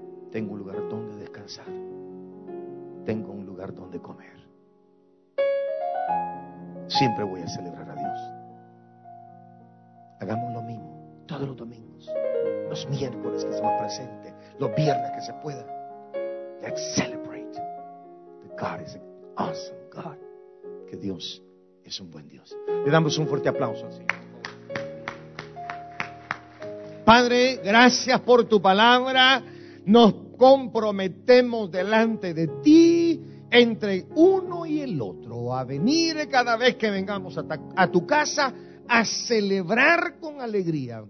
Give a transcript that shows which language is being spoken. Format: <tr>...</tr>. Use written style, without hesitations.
<es>Tengo un lugar donde descansar. Tengo un lugar donde comer. Siempre voy a celebrar a Dios. Hagamos lo mismo todos los domingos, los miércoles que se nos presente, los viernes que se pueda.</es> <en>Let's celebrate. The God is an awesome God.</en> <es>Que Dios es un buen Dios. Le damos un fuerte aplauso al Señor. Padre, gracias por tu palabra. Nos comprometemos delante de ti, entre uno y el otro, a venir cada vez que vengamos a tu casa a celebrar con alegría.</es>